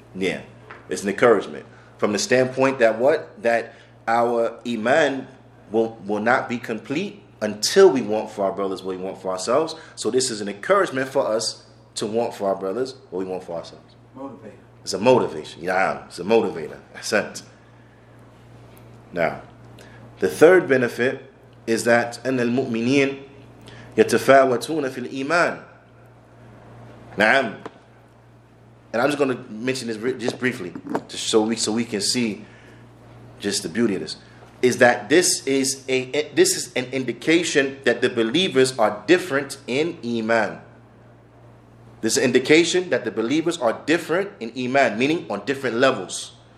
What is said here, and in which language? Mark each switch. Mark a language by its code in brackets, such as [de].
[en] Yeah. It's an encouragement. From the standpoint that what? That our Iman will not be complete until we want for our brothers what we want for ourselves. So this is an encouragement for us to want for our brothers what we want for ourselves. Motivator. It's a motivation. Yeah, it's a motivator. I sense. Now, the third benefit is that أن المؤمنين يتفاوتون في الإيمان. [ar] نعم. [en] And I'm just going to mention this just briefly, just so we can see just the beauty of this. Is that this is an indication that the believers are different in Iman. This is an indication that the believers are different in Iman, meaning on different levels.